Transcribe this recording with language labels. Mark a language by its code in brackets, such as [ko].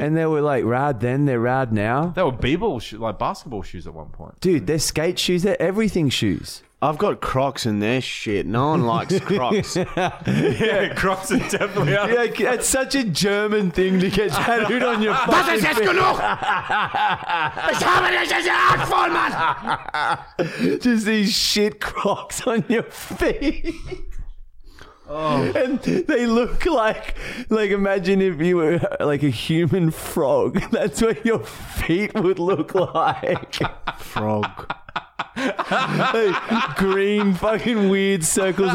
[en] And they were like rad then, they're rad now. They were b-ball, basketball shoes at one point. Dude, they're skate shoes. They're everything shoes. I've got Crocs in their shit. No one likes Crocs. Yeah, Crocs are definitely out. Yeah, it's such a German thing to get tattooed on your face. [de] Was ist jetzt genug? Ich habe dich gejagt, Vollmann! [en] Just these shit Crocs on your feet. Oh. And they look like, imagine if you were like a human frog. That's what your feet would look like. Frog. Like green fucking weird circles.